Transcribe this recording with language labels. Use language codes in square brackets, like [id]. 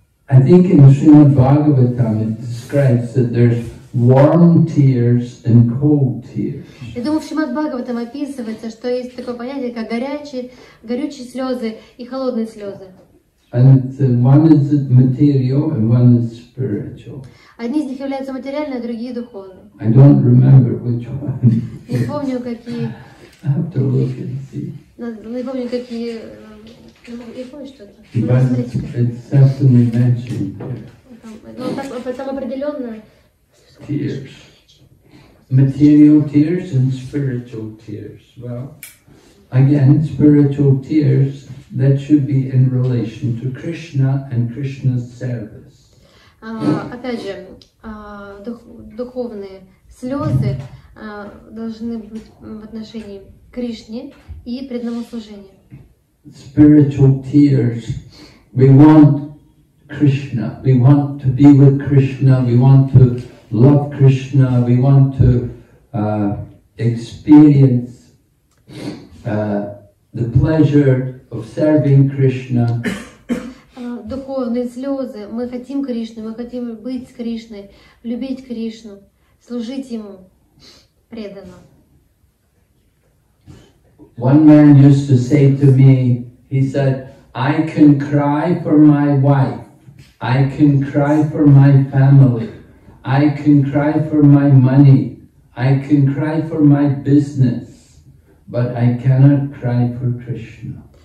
[en] I think in Srimad Bhagavatam it describes that there's warm tears and cold tears. [ru] Я думаю, в Шримад Бхагаватам описывается, что есть такое понятие, как горючие слезы и холодные слезы. [en] And one is material and one is spiritual. [ru] Одни из них являются материальными, а другие духовные. [en] I don't remember which one. [ru] Не помню, какие. [en] I have to look and see. [ru] Не помню, какие. Ну, я помню что-то. Но там определенно. [en] Tears. Material tears and spiritual tears. Well, again, spiritual tears that should be in relation to Krishna and Krishna's service. [ru] Опять же, духовные слезы должны быть в отношении Кришне и преданному служению. [en] Spiritual tears. We want Krishna. We want to be with Krishna. We want to love Krishna. We want to experience the pleasure of serving Krishna. [ru] Духовные слезы. Мы хотим Кришны. Мы хотим быть с Кришной, любить Кришну, служить ему преданно. [en] One man used to say to me. He said, I can cry for my wife, I can cry for my family, I can cry for my money, I can cry for my business, but I cannot cry for Krishna.